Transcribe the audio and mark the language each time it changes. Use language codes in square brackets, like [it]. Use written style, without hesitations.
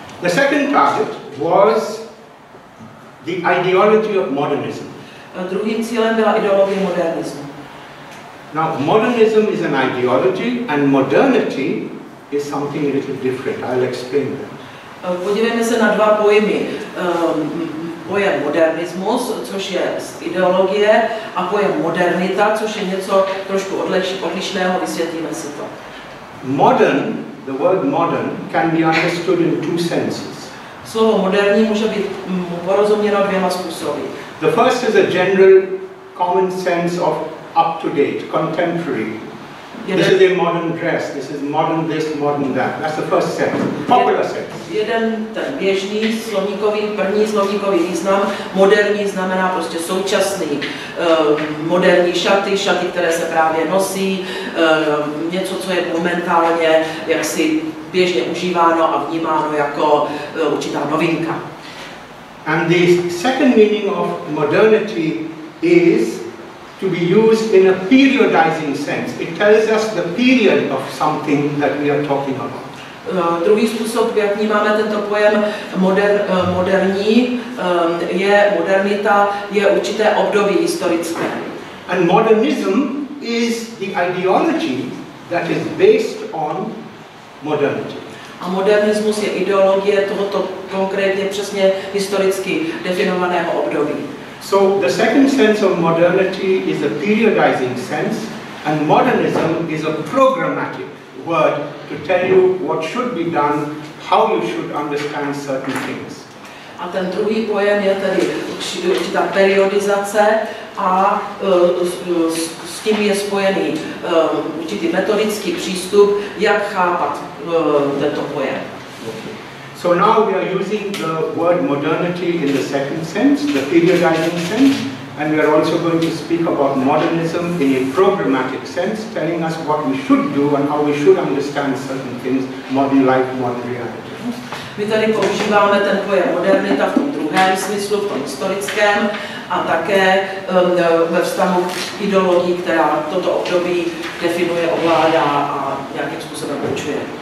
[en] The second target was the ideology of modernism. [cs] Druhým cílem byla ideologie modernismu. [en] Now modernism is an ideology and modernity is something a little different. I'll explain that. [cs] Podívejme se na dva pojmy. Pojem modernismus, což je ideologie, a pojem modernita, což je něco trošku odlišného, vysvětlíme si to. [en] Modern, the word modern can be understood in two senses. [cs] Slovo moderní může být porozuměno dvěma způsoby. [en] The first is a general common sense of up to date, contemporary. This is a modern dress, this is modern this, modern that. That's the first sense, popular sense. [cs] Jeden ten běžný slovníkový, první slovníkový význam, moderní znamená prostě současný. Moderní šaty, které se právě nosí, něco, co je momentálně jaksi běžně užíváno a vnímáno jako určitá novinka. [en] And the second meaning of modernity is to be used in a periodizing sense. It tells us the period of something that we are talking about. [cs] Druhý způsob, jak vnímáme tento pojem moderní, je modernita, je určité období historické. [en] And modernism is the ideology that is based on modernity. [cs] A modernismus je ideologie tohoto konkrétně přesně historicky definovaného období. [en] So the second sense of modernity is a periodizing sense, and modernism is a programmatic word to tell you what should be done, how you should understand certain things. [cs] A ten druhý pojem je tedy určitá periodizace a s tím je spojený určitý metodický přístup, jak chápat tento pojem. [en] So now we are using the word modernity in the second sense, the periodizing sense, and we are also going to speak about modernism in a programmatic sense, telling us what we should do and how we should understand certain things, modern life, modern reality. [cs] My tady používáme ten pojem modernita v tom druhém smyslu, v tom historickém, a také ve vztahu k ideologii, která toto období definuje, ovládá a nějakým způsobem určuje.